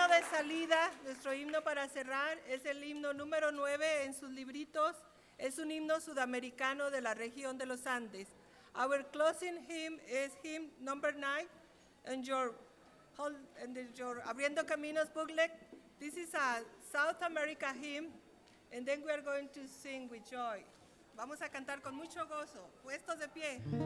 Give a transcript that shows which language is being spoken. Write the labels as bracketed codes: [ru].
[es] Salida, nuestro himno para cerrar es el himno número 9 en sus libritos. Es un himno sudamericano de la región de los Andes. [en] Our closing hymn is hymn number 9 in your Abriendo Caminos booklet. This is a South America hymn, and then we are going to sing with joy. [es] Vamos a cantar con mucho gozo, puestos de pie.